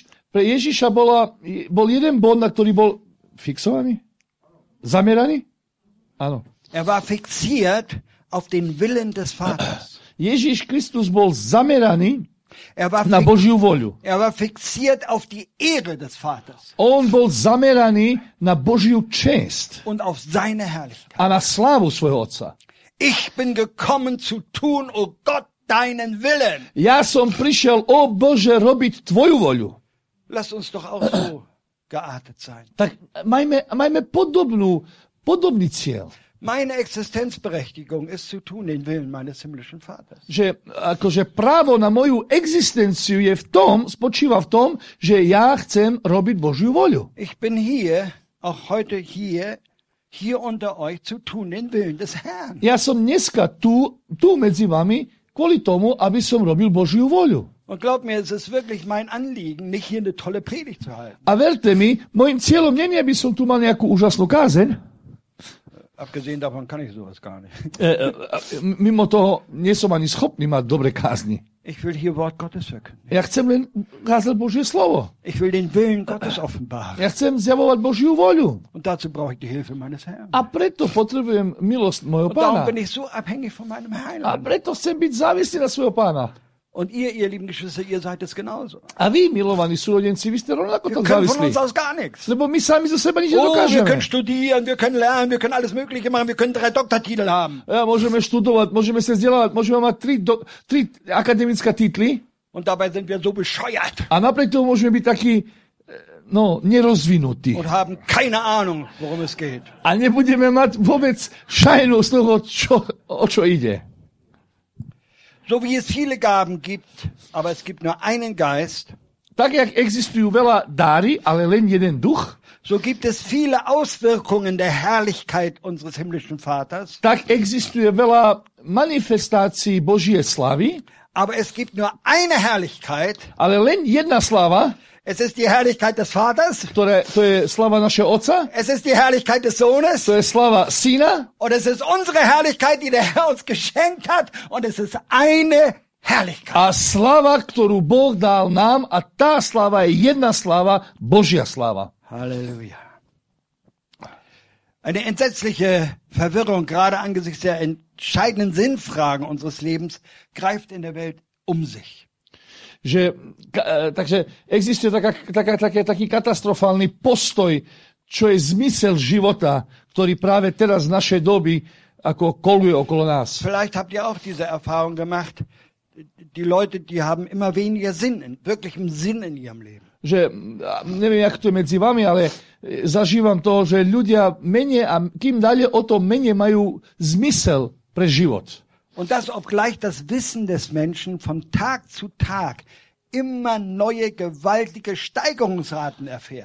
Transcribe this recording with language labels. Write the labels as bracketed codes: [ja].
[sk] Pre Ježiša bol jeden bod, na ktorý bol fixovaný? Zameraný? Áno. [de] Er war fixiert auf den Willen des Vaters. [sk] Ježiš Kristus bol zameraný na Božiu voľu. [de] Er war fixiert auf die Ehre des Vaters. [sk] On bol zameraný na Božiu čest. [de] Und auf seine Herrlichkeit. [sk] A na slávu svojho Otca. [de] Ich bin gekommen zu tun, o Gott, deinen Willen. [sk] Ja som prišiel, o Bože, robiť tvoju voľu. [de] Lass uns doch auch so geartet sein. [sk] Tak majme podobný cieľ. [de] Meine Existenzberechtigung ist zu tun den Willen meines himmlischen Vaters. [sk] Že akože právo na moju existenciu je v tom, spočíva v tom, že ja chcem robiť Božiu voľu. [de] Ich bin hier, auch heute hier unter euch zu tun den Willen des Herrn. [sk] Ja som dneska tu medzi vami kvôli tomu, aby som robil Božiu voľu. [de] Und glaub mir, es ist wirklich mein Anliegen, nicht hier eine tolle Predigt zu halten. [sk] A verte mi, môjim cieľom nie je, aby som tu mal nejakú úžasnú kázeň. [de] Abgesehen davon kann ich sowas gar nicht. [sk] Mimo toho, nie som ani schopný mať dobre kázni. [de] Ich will hier Wort Gottes verkünden. [sk] Ja chcem len kázať Božie slovo. [de] Ich will den Willen Gottes offenbaren. [sk] Ja chcem zjavovať Božiu voľu. [de] Und dazu brauche ich die Hilfe meines Herrn. [sk] A preto potrebujem milosť mojho Pána. [de] Darum bin ich so abhängig von meinem Heiland. [sk] A preto chcem byť závislý na svojho Pána. [de] Und ihr lieben Geschwister, ihr seid es genauso. [sk] A vy, milovaní súrodenci, vy ste rovnako tak závislí. [de] Von uns aus gar nichts. [sk] Lebo my sami zo seba nič nedokážeme. [de] Wir können studieren, wir können lernen, wir können alles mögliche machen, wir können 3 Doktortitel haben. [sk] Ja, môžeme študovať, môžeme sa vzdelávať, môžeme mať 3 akademické tituly. [de] Und dabei sind wir so bescheuert. [sk] A napriek tomu môžeme byť taký, no, nerozvinutí. [de] Und haben keine Ahnung, worum es geht. [sk] A nebudeme mať vôbec šajnu z toho, o čo ide. [de] So wie es viele Gaben gibt, aber es gibt nur einen Geist. [sk] Tak jak existujú veľa dary, ale len jeden duch. [de] So gibt es viele Auswirkungen der Herrlichkeit unseres himmlischen Vaters. [sk] Tak existuje veľa manifestácií Božie slavy. [de] Aber es gibt nur eine Herrlichkeit. [sk] Ale len jedna sláva. [de] Es ist die Herrlichkeit des Vaters. [sk] To je sláva našeho Otca. [de] Es ist die Herrlichkeit des Sohnes. [sk] To je sláva Syna. [de] Und es ist unsere Herrlichkeit, die der Herr uns geschenkt hat. Und es ist eine herrlichkeit. [sk] A slava, ktorú Boh dal nám, a tá slava je jedna slava, Božia slava. Halleluja. [de] Eine entsetzliche Verwirrung, gerade angesichts der entscheidenden Sinnfragen unseres Lebens, greift in der Welt um sich. [sk] Že, takže existuje taký katastrofálny postoj, čo je zmysel života, ktorý práve teraz v našej doby ako koluje okolo nás. [de] Vielleicht habt ihr auch diese Erfahrung gemacht, die Leute, die haben immer weniger Sinn, wirklich im Sinn in ihrem Leben. [sk] Že, neviem, jak to je medzi vami, ale zažívam to, že ľudia menej a kým ďalej o to menej majú zmysel pre život. [de] Und das, obgleich das Wissen des Menschen von Tag zu Tag immer neue gewaltige Steigerungsraten erfährt.